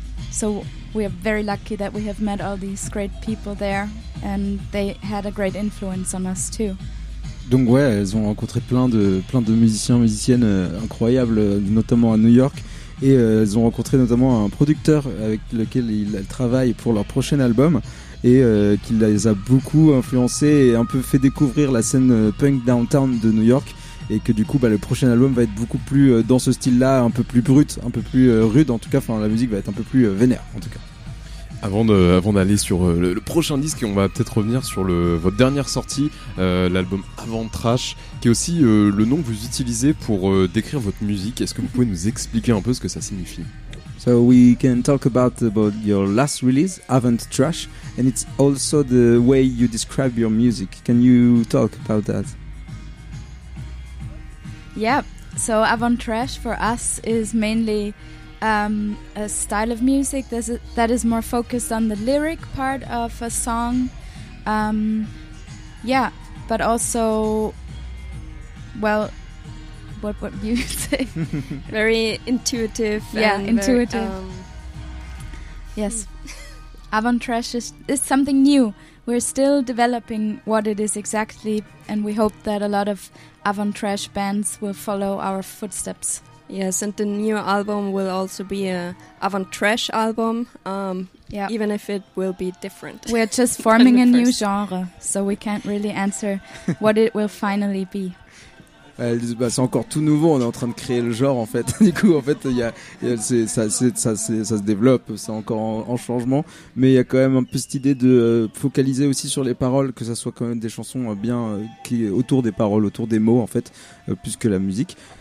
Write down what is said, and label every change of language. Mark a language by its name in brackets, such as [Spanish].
[English] So we are very lucky that we have met all these great people there, and they had a great influence on us too. [French] Donc ouais, elles ont rencontré plein de musiciens, musiciennes incroyables, notamment à New York, et elles ont rencontré notamment un producteur avec lequel elles travaillent pour leur prochain album, et qui les a beaucoup influencés et un peu fait découvrir la scène punk downtown de New York, et que du coup le prochain album va être beaucoup plus dans ce style là, un peu plus brut, un peu plus rude en tout cas, enfin la musique va être un peu plus vénère en tout cas. Avant d'aller sur le prochain disque, on va peut-être revenir sur votre dernière sortie, l'album Avant Trash, qui est aussi le nom que vous utilisez pour décrire votre musique. Est-ce que vous pouvez nous expliquer un peu ce que ça signifie? [English] So we can talk about your last release, Avant Trash, and it's also the way you describe your music. Can you talk about that? Yeah, so Avant Trash for us is mainly a style of music that is more focused on the lyric part of a song. But also, well... What you say? Very intuitive. Yeah, intuitive. Yes. Avant Trash is something new. We're still developing what it is exactly, and we hope that a lot of Avant Trash bands will follow our footsteps. Yes, and the new album will also be a Avant Trash album, even if it will be different. We're just forming a new genre, so we can't really answer what it will finally be. [French] C'est encore tout nouveau, on est en train de créer le genre en fait. Du coup, en fait, ça se développe, c'est encore en changement. Mais il y a quand même un peu cette idée de focaliser aussi sur les paroles, que ça soit quand même des chansons bien qui autour des paroles, autour des mots en fait, plus que la musique.